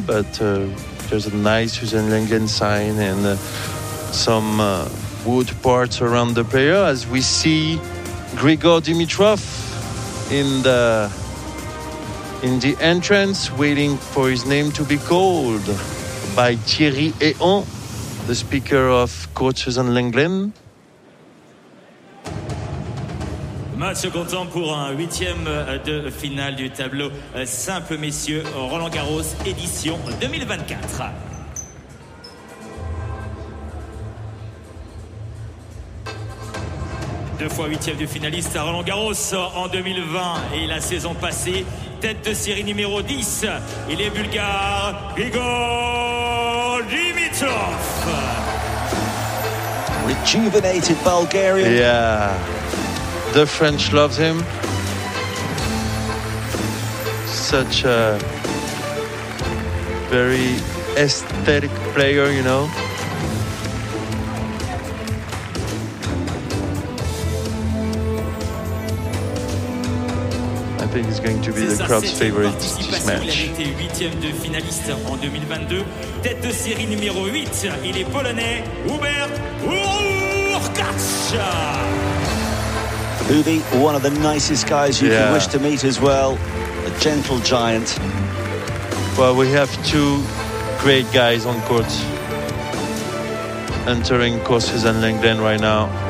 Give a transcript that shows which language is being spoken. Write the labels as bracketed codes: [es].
[en] But there's a nice Suzanne Lenglen sign and some wood parts around the player, as we see Grigor Dimitrov in the entrance, waiting for his name to be called by Thierry Héon, the speaker of coach Suzanne Lenglen. [fr] Match comptant pour un huitième de finale du tableau simple, messieurs, Roland-Garros, édition 2024. Deux fois huitième du finaliste à Roland-Garros en 2020 et la saison passée, tête de série numéro 10, il est bulgare, Grigor Dimitrov. [en] Rejuvenated Bulgarian. Yeah. The French loves him. Such a very aesthetic player, you know. I think he's going to be the crowd's favorite this match. [fr] Il a été huitième de finaliste en 2022. Tête de série numéro 8, il est polonais, Hubert Hurkacz. [en] Hubi, one of the nicest guys you can wish to meet as well. A gentle giant. Well, we have two great guys on court. Entering courses and Langdon right now.